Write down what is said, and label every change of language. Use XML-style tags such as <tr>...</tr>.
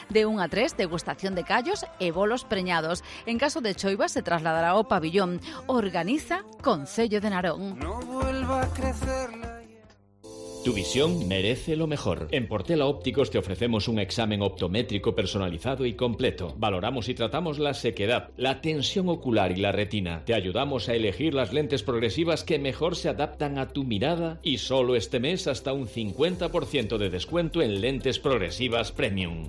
<gl>De 1 a 3, degustación de callos e bolos preñados. En caso de choiva, se trasladará ao pabillón. Organiza Concello de Narón.</gl> <es>No vuelva a crecer la... Tu visión merece lo mejor. En Portela Ópticos te ofrecemos un examen optométrico personalizado y completo. Valoramos y tratamos la sequedad, la tensión ocular y la retina. Te ayudamos a elegir las lentes progresivas que mejor se adaptan a tu mirada y solo este mes hasta un 50% de descuento en lentes progresivas premium.</es>